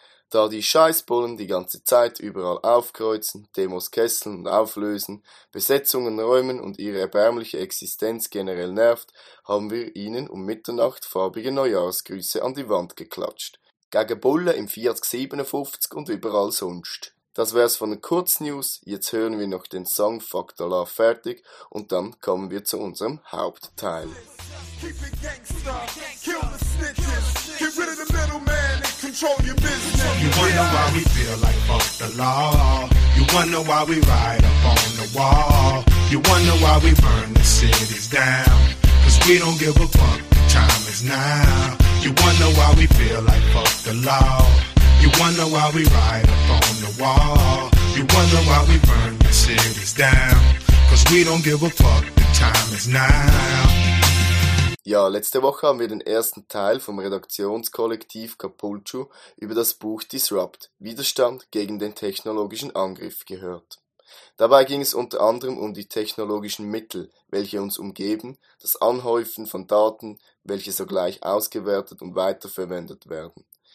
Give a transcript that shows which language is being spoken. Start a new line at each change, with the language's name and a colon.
German: Da die Scheißbullen die ganze Zeit überall aufkreuzen, Demos kesseln und auflösen, Besetzungen räumen und ihre erbärmliche Existenz generell nervt, haben wir ihnen um Mitternacht farbige Neujahrsgrüße an die Wand geklatscht. Gegen Bullen im Fiat 57 und überall sonst. Das wär's von den Kurznews. Jetzt hören wir noch den Song Fuck the Law fertig und dann kommen wir zu unserem Hauptteil.
English: Keep it gangster, kill the snitches, get rid of the middleman and control your business. You wonder why we feel like fuck the law. You wonder why we ride up on the wall. You wonder why we burn the cities down. Cause we don't give a fuck, the time is now. You wonder why we feel like fuck the law. You wonder why we ride up on the wall. You wonder why we burn the cities down. Cause we don't give a fuck, the time is now.
German: Ja, letzte Woche haben wir den ersten Teil vom Redaktionskollektiv Capulcio über das Buch Disrupt – Widerstand gegen den technologischen Angriff gehört. Dabei ging es unter anderem um die technologischen Mittel, welche uns umgeben, das Anhäufen von Daten, welche sogleich ausgewertet und weiterverwendet werden.